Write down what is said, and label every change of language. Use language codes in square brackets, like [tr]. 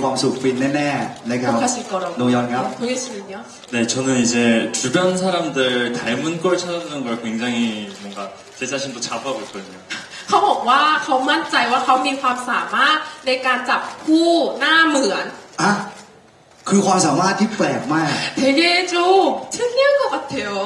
[th] ก็แสดงเต็มที่เลยครับรับรองมีความสุขฟินแน่ๆนะครับโนยอนครับ [ko] 네, 저는 이제 주변 사람들 닮은 걸 찾는 걸 굉장히 뭔가 제 자신도 잡아보고 있거든요. [th] เขาบอกว่าเขามั่นใจว่าเขามีความสามารถในการจับคู่หน้าเหมือน 아, คือความสามารถที่แปลกมาก [ko] 되게 좀 특이한 것 같아요.